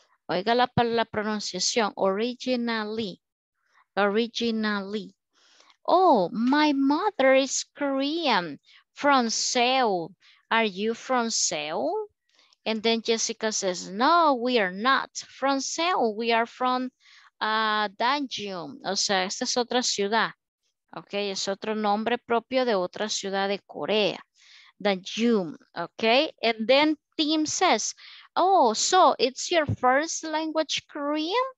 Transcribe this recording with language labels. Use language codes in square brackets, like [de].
[es] Oiga la pronunciación, originally, originally. [en] "Oh, my mother is Korean from Seoul. Are you from Seoul?" And then Jessica says, "No, we are not from Seoul. We are from Danjeon." [es] O sea, esta es otra ciudad. Ok, es otro nombre propio de otra ciudad de Corea, Danjeon, ok. [en] And then Tim says, "Oh, so it's your first language Korean?"